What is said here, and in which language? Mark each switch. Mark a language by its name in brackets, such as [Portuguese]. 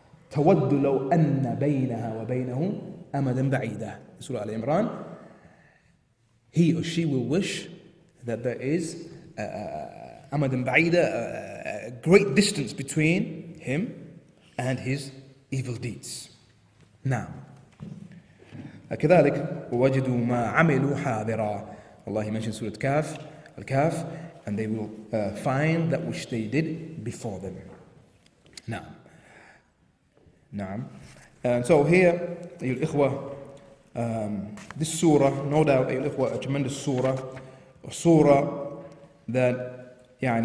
[Arabic] تَوَدُّ لَوْ أَنَّ بَيْنَهَا وَبَيْنَهُ أَمَدًا بَعِيدًا. [English] Surah Al Imran. He or she will wish that there is [Arabic] أَمَدًا بَعِيدًا, [English] a great distance between him and his evil deeds. Now, [Arabic] كذلك وَجَدُوا مَا عَمِلُوا حَاضِرًا. [English] Allah, he mentioned Surah Kaf, Al-Kaf, and they will find that which they did before them. Naam. Naam. And so here, ayyul ikhwa, this surah, no doubt, ayyul ikhwa, a tremendous surah, a surah that